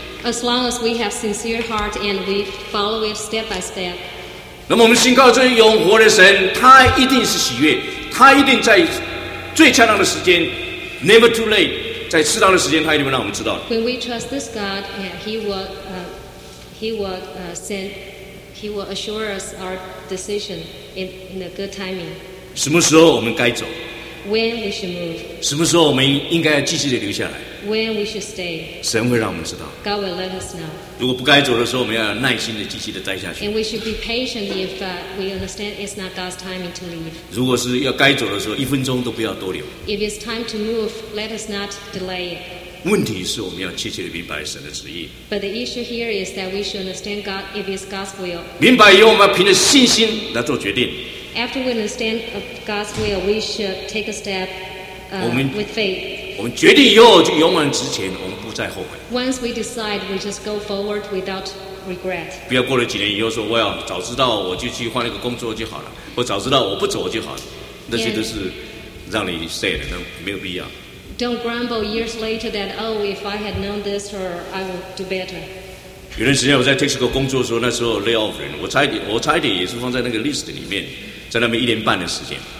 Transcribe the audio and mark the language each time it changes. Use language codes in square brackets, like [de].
[en] As long as we have sincere heart and we follow it step by step. [zh] 那么我们信靠这永活的神，他一定是喜悦，他一定在最恰当的时间 ， [en] never too late， [zh] 在适当的时间，他一定会让我们知道。 [en] When we trust this God, yeah, he will assure us our decision in a good timing. [zh] 什么时候我们该走 [en] ？When we should move. [zh] 什么时候我们应该继续的留下来？ [en] When we should stay, [zh] 神会让我们知道。 [en] God will let us know. [zh] 如果不该走的时候，我们要有耐心的、积极的待下去。 [en] And we should be patient if we understand it's not God's timing to leave. [zh] 如果是要该走的时候，一分钟都不要多留。 [en] If it's time to move, let us not delay it. [zh] 问题是我们要切切的明白神的旨意。 [en] But the issue here is that we should understand God if it's God's will. [zh] 明白以后，我们要凭着信心来做决定。 [en] After we understand God's will, we should take a step with faith. [zh] 我们决定以后就勇往直前，我们不再后悔。 [en] Once we decide, we just go forward without regret. [zh] 不要过了几年以后说， [en] well, [zh] 早知道我就去换一个工作就好了，或早知道我不走就好了，那些都是让你 [en] sad， [zh] 那没有必要。 [en] Don't grumble years later that oh, if I had known this, or I would do better. [zh] 有段时间我在 Texaco 工作的时候，那时候 [en] lay off [zh] 人，我差一点也是放在那个 list 里面，在那边一年半的时间。